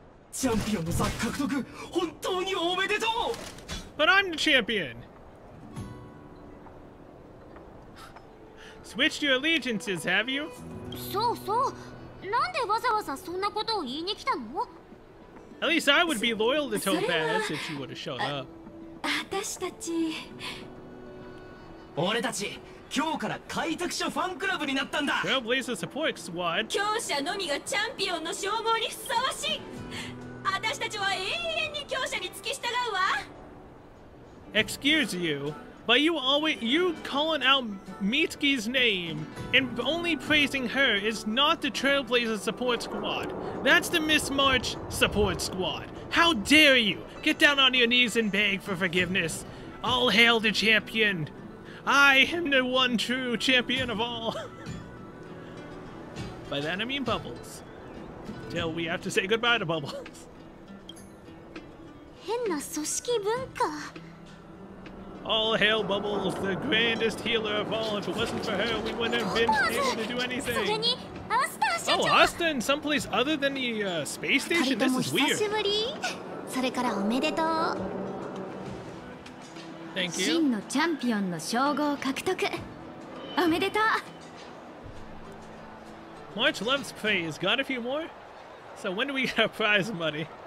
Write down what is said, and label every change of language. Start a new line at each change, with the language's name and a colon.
Japanese: チャンピオンの座獲得、本当におめでとう。
English: But I'm the champion. Switched your allegiances, have you?
Japanese: そうそう。なんでわざわざそんなことを言いに来たの？
English: At least I would be loyal to Topaz if you would have showed up.
Japanese: 私たち、俺たち今日から開拓者ファンクラブになったんだ。
English: Trailblazer Support Squad。
Japanese: 強者のみがチャンピオンの称号にふさわしい。私たちは永遠に強者に付き従うわ。
English: Excuse you, but you always you calling out Mitsuki's name and only praising her is not the Trailblazer Support Squad. That's the Miss March Support Squad. How dare you? Get down on your knees and beg for forgiveness. All hail the champion. I am the one true champion of all. By that I mean Bubbles. Till we have to say goodbye to Bubbles.
Japanese: 変な組織文化。
English: All hail Bubbles, the grandest healer of all. If it wasn't for her, we wouldn't have been able to do anything.
Japanese: それにアスター社長。
English: Oh, Asta in some place other than the space station? This is weird.
Japanese: 久しぶり。それからおめでとう。
English: Thank you.
Japanese: 真のチャンピオンの称号獲得おめでとう。
English: March loves praise. Got a few more? So when do we get our prize money?